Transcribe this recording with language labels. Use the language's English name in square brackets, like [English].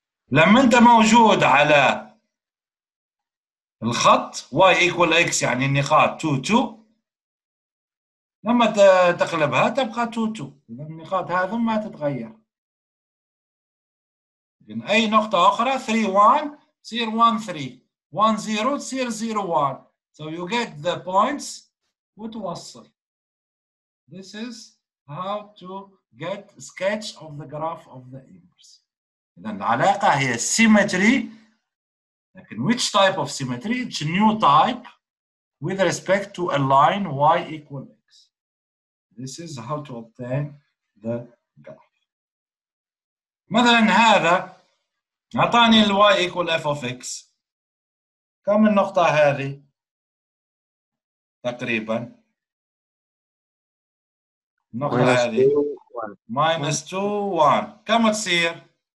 [Arabic] لما انت موجود على الخط واي ايكوال اكس يعني النقاط 2 2 لما تقلبها تبقى 2 2. إذا النقاط هذه ما تتغير. من أي نقطة أخرى 3 1 تصير 1 3 1 0 تصير 0 1. [English] So you get the points [Arabic] وتوصل. [English] This is how to get sketch of the graph of the inverse. [Arabic] إذا العلاقة هي symmetry. [English] لكن which type of symmetry? It's a new type with respect to a line y equal. This is how to obtain the graph. [Arabic] مثلا هذا أعطاني الـ [English] y equal f of x. [Arabic] كم النقطة هذه تقريبا؟ النقطة هذه minus 2 1 كم تصير؟